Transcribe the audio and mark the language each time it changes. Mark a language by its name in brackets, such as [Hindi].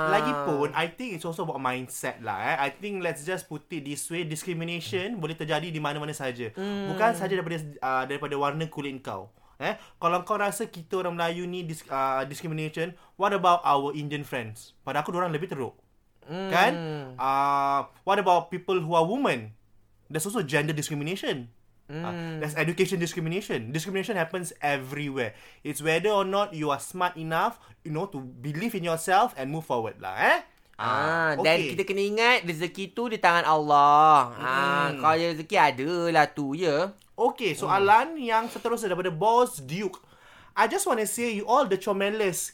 [English] Lagipun I think it's also about mindset lah I think let's just put it this way. [Malay] Discrimination boleh terjadi di mana-mana saja. Bukan saja daripada daripada warna kulit kau. Kalau kau rasa kita orang Melayu ni discrimination, [English] what about our Indian friends? [Malay] Pada aku diorang lebih teruk. [English] Kan? What about people who are women? There's also gender discrimination. There's education discrimination. Discrimination happens everywhere. It's whether or not you are smart enough, you know, to believe in yourself and move forward lah. [Malay] Dan kita kena ingat rezeki tu di tangan Allah. Kalau rezeki ada lah tu, Okay, soalan yang seterusnya daripada Boss Duke. [English] I just want to say you all the comelis.